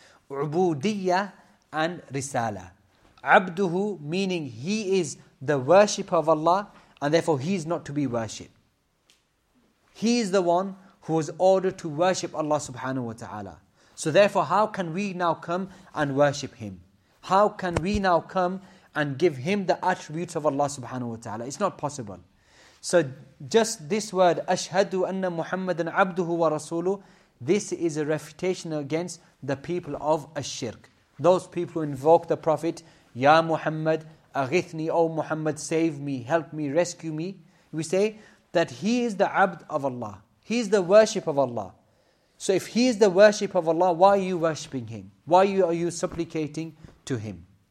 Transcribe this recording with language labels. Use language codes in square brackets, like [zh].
[en] Ubudiyya and risala. Abduhu meaning he is the worshipper of Allah and therefore he is not to be worshipped. He is the one who was ordered to worship Allah subhanahu wa ta'ala. So therefore, how can we now come and worship Him? How can we now come and give Him the attributes of Allah subhanahu wa ta'ala? It's not possible. So just this word, [ar] أَشْهَدُ أَنَّ مُحَمَّدًا عَبْدُهُ وَرَسُولُهُ, [en] This is a refutation against the people of Ash-Shirk. Those people who invoke the Prophet, Ya Muhammad, Aghithni, O Muhammad, save me, help me, rescue me. We say that he is the Abd of Allah. He is the worship of Allah. So if he is the worship of Allah, why are you worshipping him? Why are you supplicating to him?